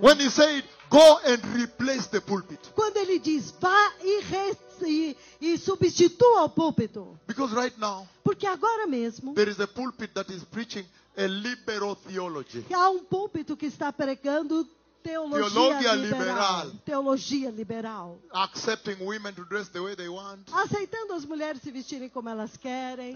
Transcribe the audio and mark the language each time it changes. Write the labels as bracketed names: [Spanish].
[English] When He said, "Go and replace the pulpit." [Portuguese] Quando Ele diz, vá e substitua o púlpito. [English] Because right now, [Portuguese] porque agora mesmo, [English] there is a pulpit that is preaching a liberal theology. [Portuguese] Há púlpito que está pregando Teologia liberal. [English] Accepting women to dress the way they want. [Portuguese] Aceitando as mulheres se vestirem como elas querem.